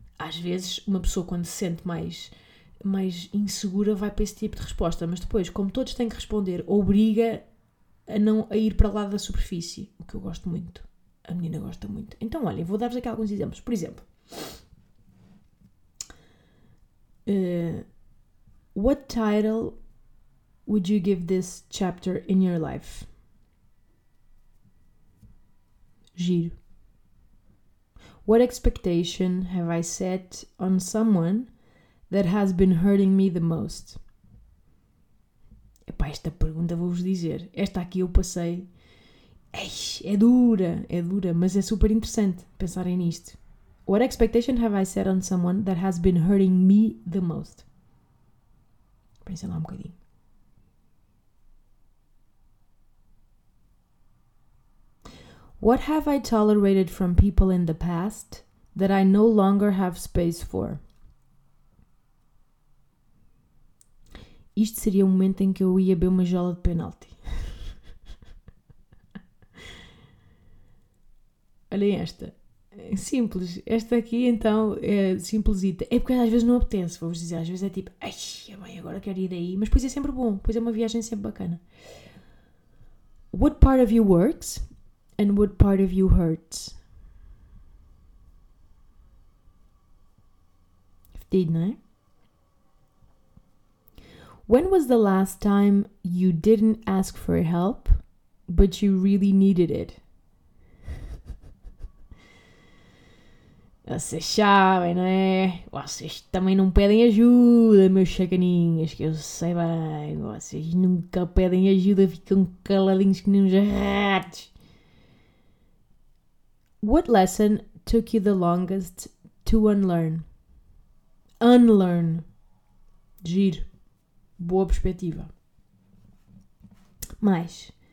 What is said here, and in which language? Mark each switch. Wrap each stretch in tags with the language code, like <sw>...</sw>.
<pt>Às vezes uma pessoa quando se sente mais insegura vai para esse tipo de resposta. Mas depois, como todos têm que responder, obriga a não a ir para lá da superfície. O que eu gosto muito. A menina gosta muito. Então, olhem, vou dar-vos aqui alguns exemplos. Por exemplo...</pt> <en>what title would you give this chapter in your life? Giro. What expectation have I set on someone that has been hurting me the most?</en> <pt>Epá, esta pergunta vou-vos dizer. Esta aqui eu passei. É dura, mas é super interessante pensarem nisto.</pt> <en>What expectation have I set on someone that has been hurting me the most?</en> <pt>Pensa lá um bocadinho.</pt> <en>What have I tolerated from people in the past that I no longer have space for?</en> <pt>Isto seria o momento em que eu ia beber uma jola de penalti. Olhem esta. Simples, esta aqui então é simplesita, é porque às vezes não apetece, vou-vos dizer, às vezes é tipo, ai, mãe, agora quero ir daí, mas depois é sempre bom, depois é uma viagem sempre bacana.</pt> <en>What part of you works and what part of you hurts?</en> <pt>Fedido, não é?</pt> <en>When was the last time you didn't ask for help, but you really needed it?</en> <pt>Vocês sabem, não é? Vocês também não pedem ajuda, meus chacaninhas, que eu sei bem. Vocês nunca pedem ajuda, ficam caladinhos que nem uns ratos.</pt> <en>What lesson took you the longest to unlearn?</en> <pt>Unlearn. Giro. Boa perspectiva. Mais.</pt>